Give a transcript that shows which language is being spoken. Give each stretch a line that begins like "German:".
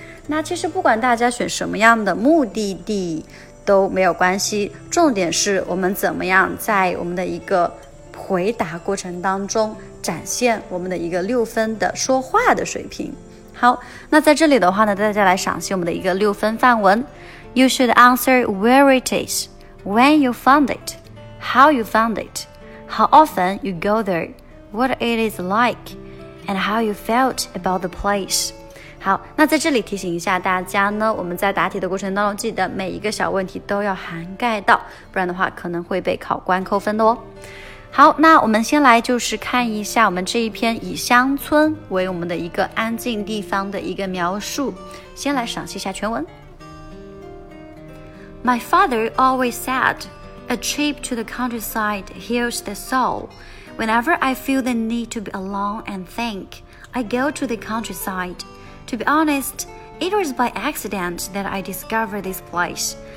Chinese: 那其实不管大家选什么样的目的地都没有关系，重点是我们怎么样在我们的一个回答过程当中展现我们的一个6分的说话的水平。好，那在这里的话呢，大家来赏析我们的一个6分范文。
English: You should answer where it is, when you found it, how you found it, how often you go there, what it is like, and how you felt about the place.
Chinese: 好，那在这里提醒一下大家呢，我们在答题的过程当中记得每一个小问题都要涵盖到，不然的话可能会被考官扣分的哦。好，那我们先来就是看一下我们这一篇以乡村为我们的一个安静地方的一个描述，先来赏析一下全文。
English: My father always said, a trip to the countryside heals the soul. Whenever I feel the need to be alone and think, I go to the countryside. To be honest, it was by accident that I discovered this place.